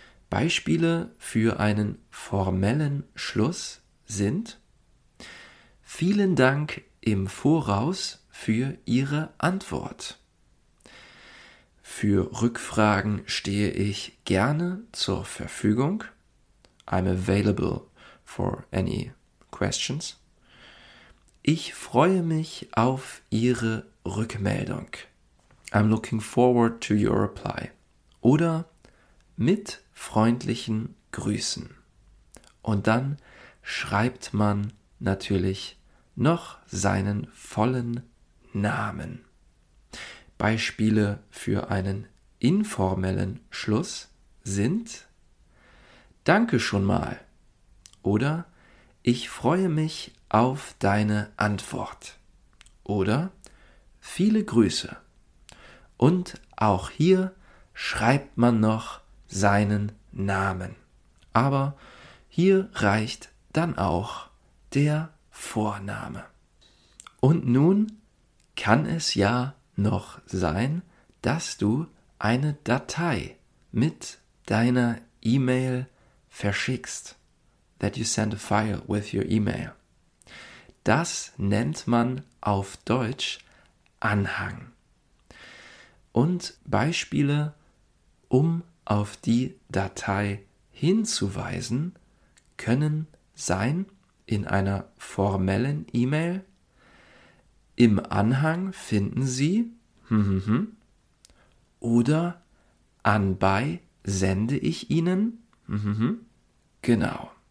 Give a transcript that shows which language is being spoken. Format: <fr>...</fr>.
<de>Beispiele für einen formellen Schluss sind: Vielen Dank im Voraus für Ihre Antwort. Für Rückfragen stehe ich gerne zur Verfügung.</de> <en>I'm available for any questions.</en> <de>Ich freue mich auf Ihre Rückmeldung.</de> <en>I'm looking forward to your reply.</en> <de>Oder mit freundlichen Grüßen. Und dann schreibt man natürlich noch seinen vollen Namen. Beispiele für einen informellen Schluss sind: Danke schon mal. Oder ich freue mich auf deine Antwort. Oder viele Grüße. Und auch hier schreibt man noch seinen Namen. Aber hier reicht dann auch der Vorname. Und nun kann es ja noch sein, dass du eine Datei mit deiner E-Mail verschickst.</de> <en>That you send a file with your email.</en> <de>Das nennt man auf Deutsch Anhang. Und Beispiele, um auf die Datei hinzuweisen, können sein in einer formellen E-Mail: Im Anhang finden Sie oder anbei sende ich Ihnen. Genau.</de>